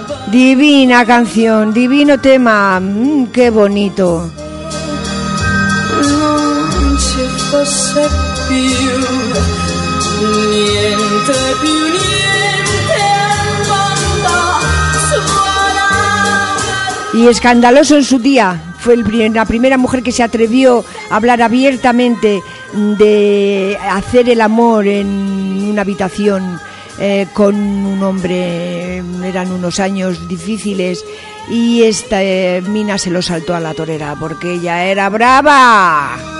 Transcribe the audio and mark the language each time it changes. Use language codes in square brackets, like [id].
[es] Divina canción, divino tema, qué bonito. [it] Non ci fosse più, niente più, niente mondo, suona. [es] Y escandaloso en su día, fue la primera mujer que se atrevió a hablar abiertamente de hacer el amor en una habitación. Con un hombre, eran unos años difíciles y esta Mina se lo saltó a la torera porque ella era brava.